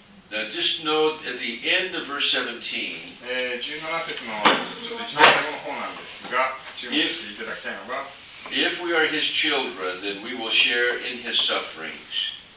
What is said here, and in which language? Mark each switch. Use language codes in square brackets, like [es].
[en] Now just note at the end of verse 17. [ja] 17節のちょっと一番最後の方なんですが、注目していただきたいのが。 [en] If we are his children, then we will share in his sufferings.